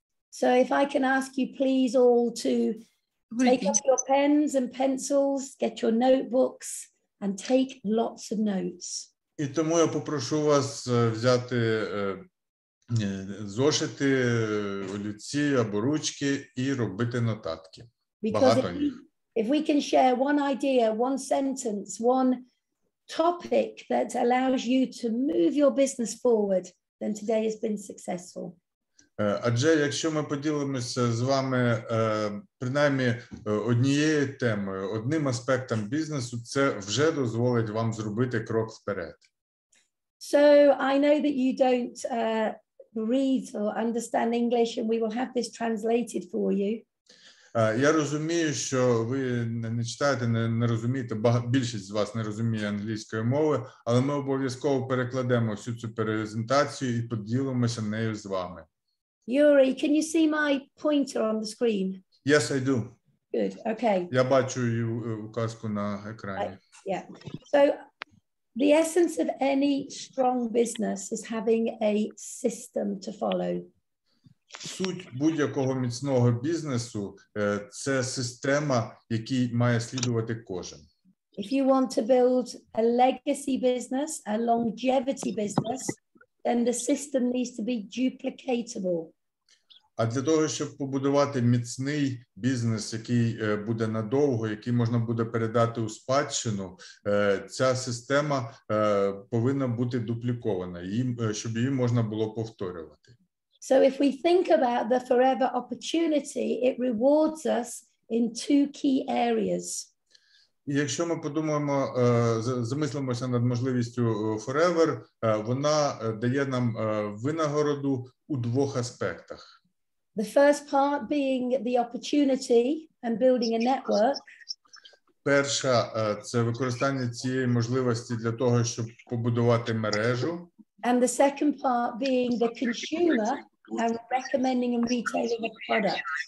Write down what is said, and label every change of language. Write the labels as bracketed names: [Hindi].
[English] So if I can ask you please all to take up your pens and pencils, get your notebooks, and take lots of notes. [Ukrainian] І тому я попрошу вас взяти зошити, олівці або ручки і робити нотатки. Багато їх. [English] If we can share one idea, one sentence, one topic that allows you to move your business forward, then today has been successful. [Ukrainian] Адже якщо ми поділимося з вами принаймні однією темою, одним аспектом бізнесу, це вже дозволить вам зробити крок вперед. [English] So, I know that you don't read or understand English, and we will have this translated for you. [Ukrainian] Я розумію, що ви не читаєте, не розумієте, більшість з вас не розуміє англійської мови, але ми обов'язково перекладемо всю цю презентацію і поділимося нею з вами. [English] Юрі, can you see my pointer on the screen? Yes, I do. Good, okay. [Ukrainian] Я бачу указку на екрані. [English] So, the essence of any strong business is having a system to follow. [Ukrainian] Суть будь-якого міцного бізнесу – це система, якій має слідувати кожен. [English] If you want to build a legacy business, a longevity business, then the system needs to be duplicatable. [Ukrainian] А для того, щоб побудувати міцний бізнес, який буде надовго, який можна буде передати у спадщину, ця система повинна бути дуплікована, щоб її можна було повторювати. [English] So if we think about the forever opportunity, it rewards us in two key areas. [Ukrainian] І якщо ми подумаємо, замислимося над можливістю forever, вона дає нам винагороду у двох аспектах. [English] The first part being the opportunity and building a network. [Ukrainian] Перша – це використання цієї можливості для того, щоб побудувати мережу. [English] And the second part being the consumer and recommending and retailing a product.